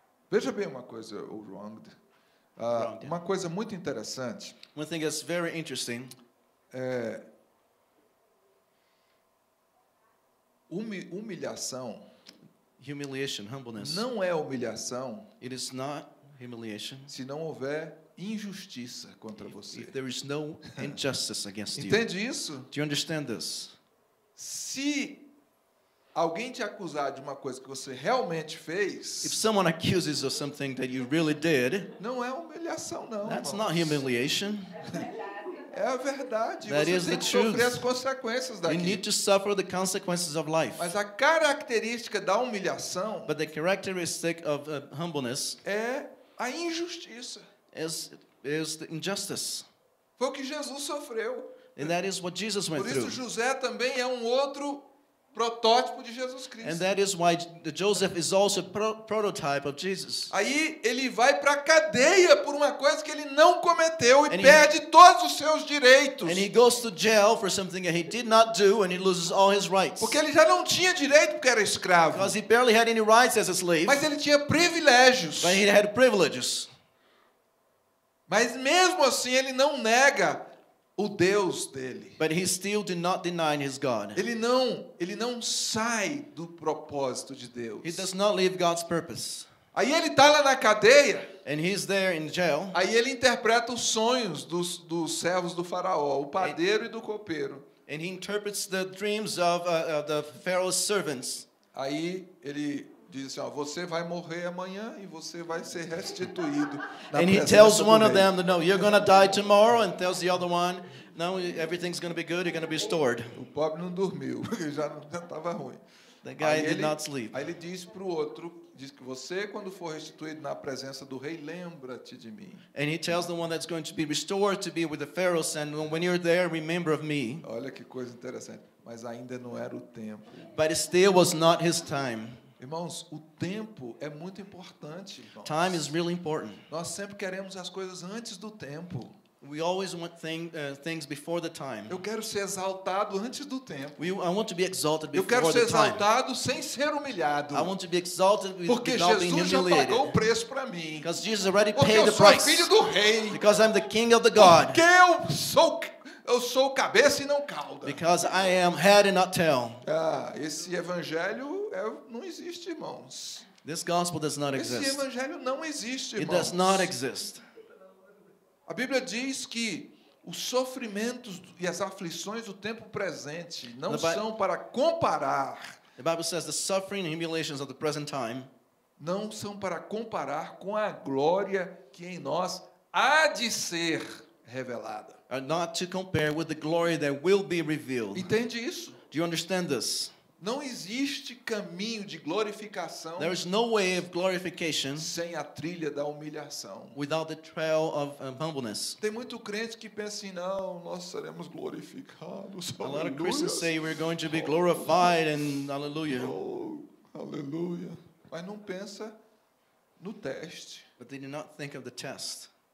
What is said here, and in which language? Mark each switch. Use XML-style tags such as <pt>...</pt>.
<pt>Veja bem uma coisa, ou wronged. Uma coisa muito interessante.</pt> <en>One thing that's very interesting.</en> <pt>Humilhação.</pt> <en>Humiliation, humbleness.</en> <pt>Não é humilhação.</pt> <en>It is not humiliation.</en> <pt>Se não houver injustiça contra você.</pt> <en>If there is no injustice against you.</en> <pt>Entende isso?</pt> <en>Do you understand this?</en> <pt>Se alguém te acusar de uma coisa que você realmente fez,</pt> <en>if someone accuses of something that you really did,</en> <pt>não é humilhação, não.</pt> <en>That's not humiliation.</en> <pt>É a verdade.</pt> <en>That</en> <pt>você</pt> <en>is</en> <pt>tem</pt> <en>the</en> <pt>que</pt> <en>truth.</en> <pt>Sofrer as consequências daqui.</pt> <en>You need to suffer the consequences of life.</en> <pt>Mas a característica da humilhação,</pt> <en>but the characteristic of humbleness,</en> <pt>é a injustiça.</pt> <en>Is the injustice.</en> <pt>Foi o que Jesus sofreu.</pt> <en>And that is what Jesus went through.</en> <pt>Por isso José também é um outro protótipo de Jesus Cristo.</pt> <en>And that is why Joseph is also a prototype of Jesus.</en> <pt>Aí ele vai para a cadeia por uma coisa que ele não cometeu e perde todos os seus direitos.</pt> <en>And he goes to jail for something that he did not do and he loses all his rights.</en> <pt>Porque ele já não tinha direito porque era escravo.</pt> <en>Because he barely had any rights as a slave.</en> <pt>Mas ele tinha privilégios.</pt> <en>But he had privileges.</en> <pt>Mas mesmo assim ele não nega o Deus dele.</pt> <en>But he still did not deny his God.</en> <pt>Ele não sai do propósito de Deus.</pt> <en>He does not leave God's purpose.</en> <pt>Aí ele está lá na cadeia.</pt> <en>And he's there in jail.</en> <pt>Aí ele interpreta os sonhos dos servos do faraó, o padeiro e do copeiro.</pt> <en>And he interprets the dreams of the Pharaoh's servants.</en> <pt>Aí ele diz assim, ó, você vai morrer amanhã e você vai ser restituído.</pt> <en>And he tells one of them, no, you're going to die tomorrow, and tells the other one, no, everything's going to be good, you're going to be restored.</en> <pt>O pobre não dormiu, ele já estava ruim.</pt> <en>The guy did not sleep.</en> <pt>Aí ele diz para o outro, diz que você, quando for restituído na presença do rei, lembra-te de mim.</pt> <en>And he tells the one that's going to be restored to be with the Pharaoh, and when you're there, remember of me.</en> <pt>Olha que coisa interessante, mas ainda não era o tempo.</pt> <en>But still was not his time.</en> <pt>Irmãos, o tempo é muito importante. Irmãos.</pt> <en>Time is really important.</en> <pt>Nós sempre queremos as coisas antes do tempo.</pt> <en>We always want things before the time.</en> <pt>Eu quero ser exaltado antes do tempo.</pt> <en>I want to be exalted before the time.</en> <pt>Eu quero ser exaltado sem ser humilhado.</pt> <en>I want to be exalted without being humiliated.</en> <pt>Porque Jesus já pagou o preço para mim.</pt> <en>Because Jesus already</en> <pt>Porque</pt> <en>paid the price.</en> <pt>Porque eu sou filho do rei.</pt> <en>Because I'm the king of the God.</en> <pt>Porque eu sou cabeça e não cauda.</pt> <en>Because I am head and not tail.</en> <pt>Ah, esse evangelho não existe, irmãos.</pt> <en>This gospel does not exist.</en> <pt>Esse evangelho não existe, irmãos.</pt> <en>It does not exist.</en> <pt>A Bíblia diz que os sofrimentos e as aflições do tempo presente não são para comparar.</pt> <en>The Bible says the suffering and humiliations of the present time</en> <pt>não são para comparar com a glória que em nós há de ser revelada.</pt> <en>Are not to compare with the glory that will be revealed.</en> <pt>Entende isso?</pt> <en>Do you understand this?</en> <pt>Não existe caminho de glorificação.</pt> <en>There is no way of glorification</en> <pt>sem a trilha da humilhação.</pt> <en>Without the trail of humbleness.</en> <pt>Tem muito crente que pensa assim, não, nós seremos glorificados.</pt> <en>A lot of Christians say we're going to be glorified and hallelujah.</en> <pt>Oh, hallelujah. Mas não pensa no teste.</pt> <en>But they do not think of the test.</en>